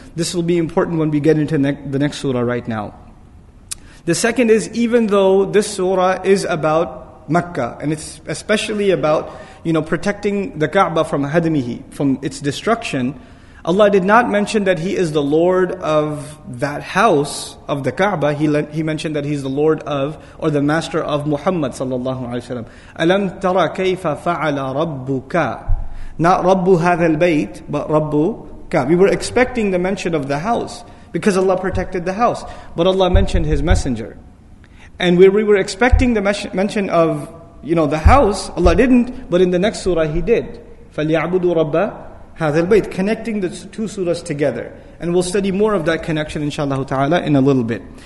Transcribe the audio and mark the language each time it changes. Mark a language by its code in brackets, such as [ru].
[en] This will be important when we get into the next surah right now. The second is, even though this surah is about Makkah, and it's especially about, you know, protecting the Kaaba from hadmihi, from its destruction, Allah did not mention that He is the Lord of that house, of the Kaaba. He mentioned that He's the Lord of, or the master of Muhammad sallallahu alayhi wa sallam. [ar] أَلَمْ تَرَ كَيْفَ فَعَلَ رَبُّكَ. [en] Not [ar] رَبُّ هَذَا الْبَيْتِ, [en] but [ar] رَبُّكَ. [en] We were expecting the mention of the house, because Allah protected the house. But Allah mentioned His messenger. And we were expecting the mention of, you know, the house. Allah didn't, but in the next surah He did. [ar] فَلْيَعْبُدُوا رَبَّ هَذَا الْبَيْتِ. [en] Connecting the two surahs together. And we'll study more of that connection, inshallah ta'ala, in a little bit.